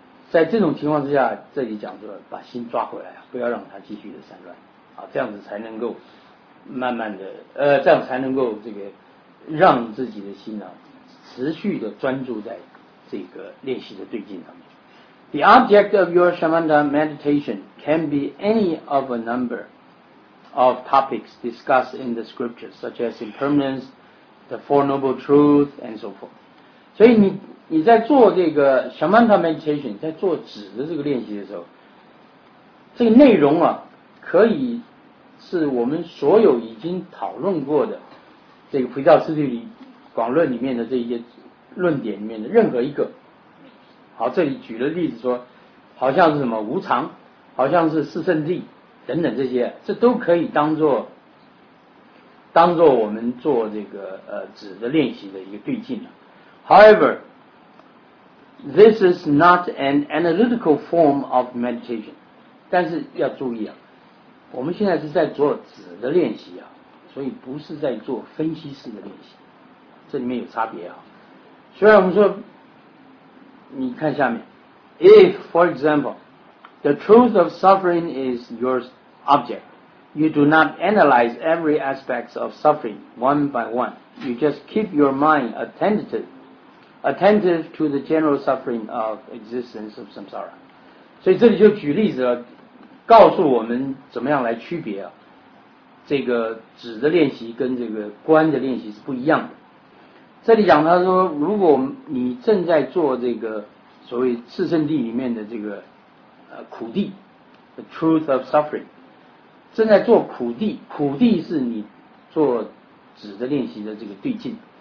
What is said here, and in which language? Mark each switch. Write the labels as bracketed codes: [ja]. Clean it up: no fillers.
[zh] 在这种情况之下，这里讲说把心抓回来，不要让它继续的散乱，啊，这样子才能够慢慢的，这样才能够这个让自己的心呢、持续的专注在这个练习的对境上面。 [en] The object of your shamatha meditation can be any of a number of topics discussed in the scriptures, such as impermanence, the Four Noble Truths, and so forth. [zh] 所以你在做这个 [en] shamatha meditation， [zh] 在做止的这个练习的时候，这个内容啊，可以是我们所有已经讨论过的这个佛教思虑里。广论里面的这些论点里面的任何一个，好，这里举了例子说，好像是什么无常，好像是四圣谛等等这些，这都可以当做我们做这个止的练习的一个对境了。 [en] However, this is not an analytical form of meditation. [zh] 但是要注意啊，我们现在是在做止的练习啊，所以不是在做分析式的练习。这里面有差别啊。虽然我们说，你看下面 [en] ，if for example the truth of suffering is your object, you do not analyze every aspect of suffering one by one. You just keep your mind attentive to the general suffering of existence of samsara. [zh] 所以这里就举例子了，告诉我们怎么样来区别啊，这个止的练习跟这个观的练习是不一样的。这里讲，他说，如果你正在做这个所谓四圣谛里面的这个苦谛 ， [en] the truth of suffering， [zh] 正在做苦谛，苦谛是你做止的练习的这个对境。